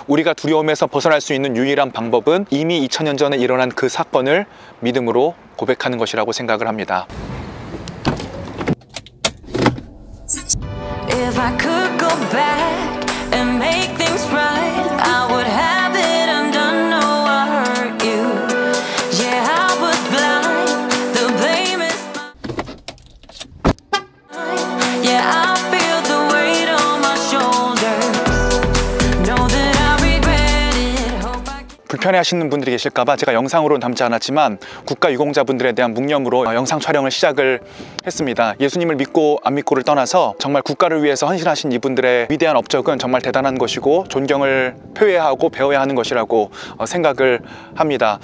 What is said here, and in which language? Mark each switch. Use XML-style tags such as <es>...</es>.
<ko>우리가 두려움에서 벗어날 수 있는 유일한 방법은 이미 2000년 전에 일어난 그 사건을 믿음으로 고백하는 것이라고 생각을 합니다.</ko> <en>If I could go back and make things right, I would have it undone. No, I hurt you. Yeah, I was blind. The blame is mine. Yeah, I feel the weight on my shoulders. Know that I regret it.</en> <ko>불편해하시는 분들이 계실까봐 제가 영상으로는 담지 않았지만 국가유공자분들에 대한 묵념으로 영상 촬영을 시작을 했습니다. 예수님을 믿고 안 믿고를 떠나서 정말 국가를 위해서 헌신하신 이분들의 위대한 업적은 정말 대단한 것이고 존경을 표해하고 배워야 하는 것이라고 생각을 합니다.</ko>